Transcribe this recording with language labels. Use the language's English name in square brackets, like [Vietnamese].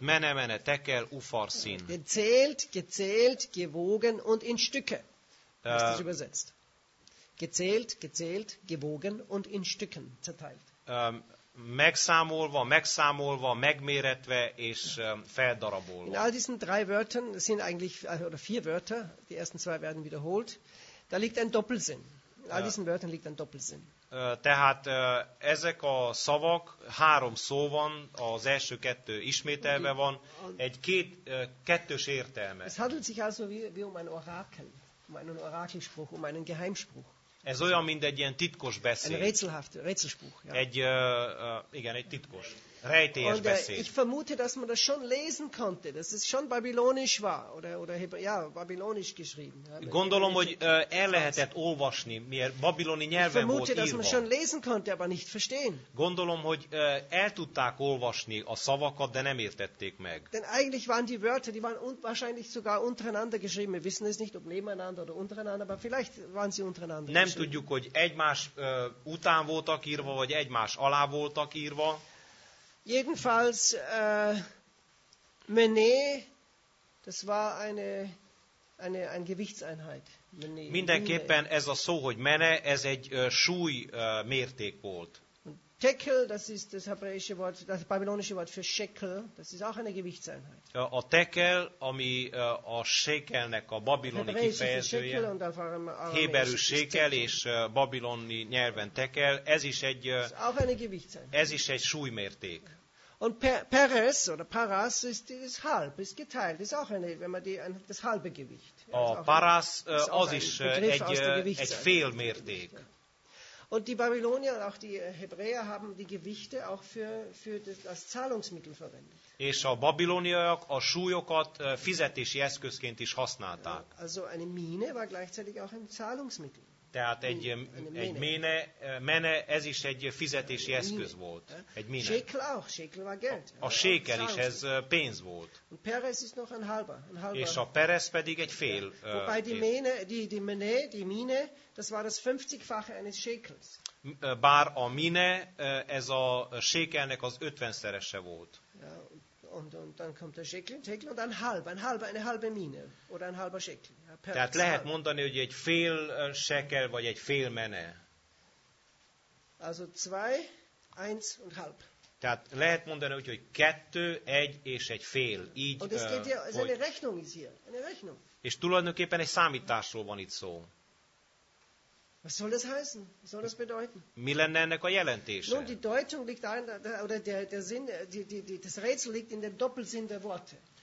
[Aramaic] Mene, mene, tekel, ufarsin. [German] Gezählt, gezählt, gewogen und in Stücke. Ist übersetzt. Gezählt, gezählt, gewogen und in Stücken zerteilt. [Hungarian] Megszámolva, megszámolva, megméretve és feldarabolva. [German] In all diesen drei Wörtern sind eigentlich oder vier Wörter, die ersten zwei werden wiederholt. Da liegt ein Doppelsinn. In all diesen Wörtern liegt ein Doppelsinn. [Hungarian] Tehát ezek a szavak, három szó van, az első kettő ismételve van, egy kettős értelme. [German] Es handelt sich also wie um ein Orakel, um einen Orakelspruch, um einen Geheimspruch. [Hungarian] Ez olyan, mint egy ilyen titkos beszéd. [German] Ein rätselspruch, ja. [Hungarian] Egy titkos, rejtélyes [German] und, [Hungarian] beszéd. [German] Ich vermute, dass man das schon lesen konnte, dass es schon babylonisch war, oder ja, babylonisch geschrieben. Ja, [Hungarian] gondolom, hogy el lehetett olvasni, mert babiloni nyelven [German] vermute, Ich vermute, dass man schon lesen konnte, aber nicht verstehen. [Hungarian] Gondolom, hogy el tudták olvasni a szavakat, de nem értették meg. [German] Denn eigentlich waren die Wörter, die waren wahrscheinlich sogar untereinander geschrieben. Wir wissen es nicht, ob nebeneinander oder untereinander, aber vielleicht waren sie untereinander. [Hungarian] Nem tudjuk, hogy egymás után voltak írva, vagy egymás alá voltak írva. [German] Jedenfalls Mene, das war ein Gewichtseinheit. [Aramaic] Mene. [Hungarian] Mindenképpen ez a szó, hogy mene, ez egy súly mérték volt. [German] Tekel, das ist das hebräische Wort, das babylonische Wort für Shekel, das ist auch eine Gewichtseinheit. [Hungarian] A tekel, ami a shekelnek a babiloni kifejezője, héberű shekel és babiloni nyelven tekel, ez is egy súlymérték. [German] Und Peres oder Paras ist halb, ist geteilt, ist auch eine, wenn man die das halbe Gewicht. [Hungarian] Ja, oh, Paras, az is egy fél mérték. [German] Und die Babylonier und auch die Hebräer haben die Gewichte auch für das Zahlungsmittel verwendet. [Hungarian] És a babiloniak a súlyokat fizetési eszközként is használták. [German] Ja, also eine Mine war gleichzeitig auch ein Zahlungsmittel. [Hungarian] Tehát egy mene, ez is egy fizetési eszköz volt. Egy mene. [German] Shekel auch, Shekel war Geld. [Hungarian] A Shekel is, ez pénz volt. [German] Und Peres ist noch ein halber. [Hungarian] És a Peres pedig egy fél. [German] Wobei die mene, das war das 50-fache eines Shekels. [Hungarian] Bár a mene, ez a Shekelnek az 50-szerese volt. [German] Und dann kommt der Shekel und dann eine halbe Mine oder ein halber Shekel. [Hungarian] Tehát lehet mondani, hogy egy fél shekel vagy egy fél mene. [German] Also 2, 1.5. [Hungarian] Tehát lehet mondani, hogy 2, 1 és 1.5. Így. [German] Und es geht ja, es eine Rechnung ist hier, eine Rechnung. [Hungarian] És tulajdonképpen egy számításról van itt szó. [German] Was soll das heißen? Was soll das bedeuten? [Hungarian] Mi lenne ennek a jelentése? [German] Nun, die Deutung liegt darin, oder der Sinn, das Rätsel liegt in dem Doppelsinn der Worte.